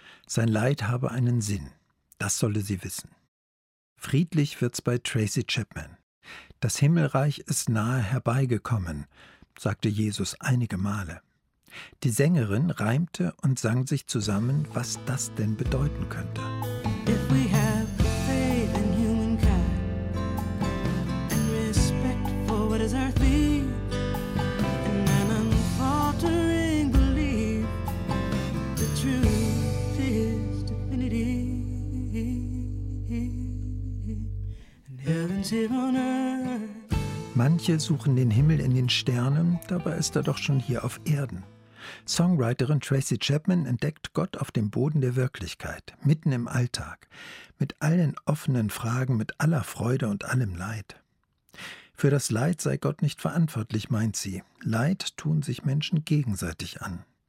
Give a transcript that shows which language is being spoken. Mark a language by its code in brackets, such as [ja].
[de] Sein Leid habe einen Sinn. Das solle sie wissen. Friedlich wird's bei Tracy Chapman. Das Himmelreich ist nahe herbeigekommen, sagte Jesus einige Male. Die Sängerin reimte und sang sich zusammen, was das denn bedeuten könnte. [en] If we have faith in humankind and respect for what is earthly and an unfaltering belief, the truth is divinity. And heaven's here on earth. [de] Manche suchen den Himmel in den Sternen, dabei ist er doch schon hier auf Erden. Songwriterin Tracy Chapman entdeckt Gott auf dem Boden der Wirklichkeit, mitten im Alltag, mit allen offenen Fragen, mit aller Freude und allem Leid. Für das Leid sei Gott nicht verantwortlich, meint sie. Leid tun sich Menschen gegenseitig an.